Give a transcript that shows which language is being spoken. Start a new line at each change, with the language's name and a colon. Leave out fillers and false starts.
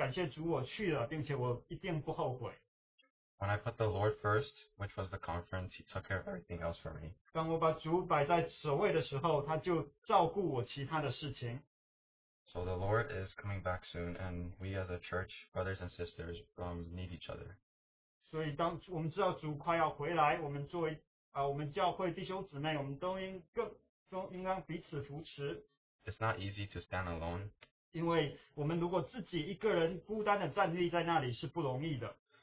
Chinese: 在特会之前，我有很多的迟疑，我是否要去参加。但是感谢主，我去了，并且我一定不后悔。
English: When I put the Lord first, which was the conference, He took care of everything else for me.
Chinese: 当我把主摆在首位的时候，他就照顾我其他的事情。
English: So the Lord is coming back soon, and we as a church, brothers and sisters, need each other.
Chinese: 所以当我们知道主快要回来，我们作为 我们教会弟兄姊妹，我们都应该彼此扶持。
English: It's not easy to stand alone.
Chinese: 因为我们如果自己一个人孤单的站立在那里是不容易的。